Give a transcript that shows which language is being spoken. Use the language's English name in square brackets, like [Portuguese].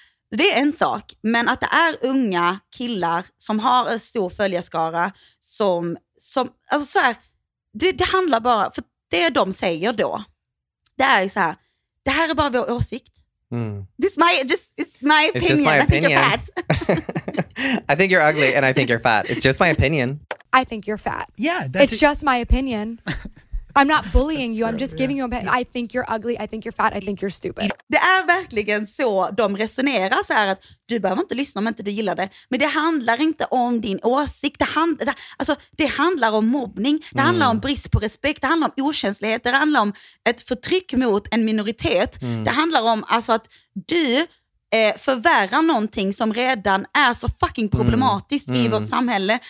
[Swedish] Det är en sak, men att det är unga killar som har en stor följarskara som alltså så här, det handlar bara... För det de säger då, det är ju så här, det här är bara vår åsikt. Mm. [English] It's just my opinion. I think you're fat. I think you're ugly and I think you're fat. It's just my opinion. I think you're fat. Yeah. It's just my opinion. I'm not bullying you. I'm just giving you a I think you're ugly. I think you're fat. I think you're stupid. [Swedish] Det är verkligen så de resonerar så här, att du behöver inte lyssna om inte du gillar det. Men det handlar inte om din åsikt. Det handlar om mobbning. Det handlar om brist på respekt. Det handlar om okänslighet. Det handlar om ett förtryck mot en minoritet. Mm. Det handlar om alltså, att du förvärra någonting som redan är så fucking problematiskt i vårt samhälle.